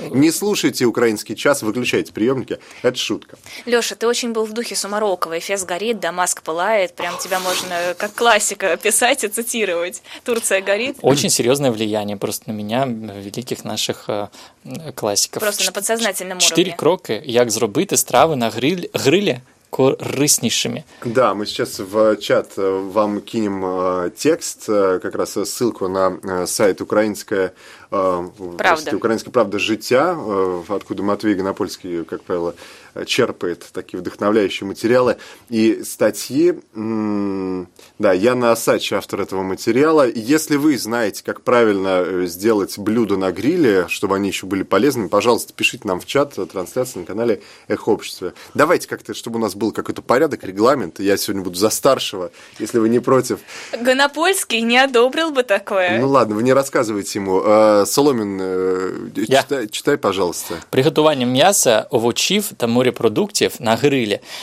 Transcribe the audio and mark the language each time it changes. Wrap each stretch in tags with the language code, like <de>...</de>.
<ru>Не слушайте украинский час, выключайте приемники, это шутка. Леша, ты очень был в духе Сумарокова. Эфес горит, Дамаск пылает, прям тебя можно как классика писать и цитировать. Турция горит. Очень серьезное влияние просто на меня, великих наших классиков. Просто на подсознательном уровне.</ru> <uk>Четыре кроки, як зробити страви на грилі кориснішими.</uk> <ru>Да, мы сейчас в чат вам кинем текст, как раз ссылку на сайт «Украинская правда». «Украинская правда життя», откуда Матвей Гонопольский, как правило, черпает такие вдохновляющие материалы и статьи. Да, Яна Осадча, автор этого материала. Если вы знаете, как правильно сделать блюда на гриле, чтобы они еще были полезными, пожалуйста, пишите нам в чат, трансляция на канале «Эхо общества». Давайте как-то, чтобы у нас был какой-то порядок, регламент. Я сегодня буду за старшего, если вы не против. Гонопольский не одобрил бы такое. Ну ладно, вы не рассказывайте ему. Соломин, читай, пожалуйста. «Приготовление мяса,</ru> <uk>овочив, там морепродуктів на грилі.</uk>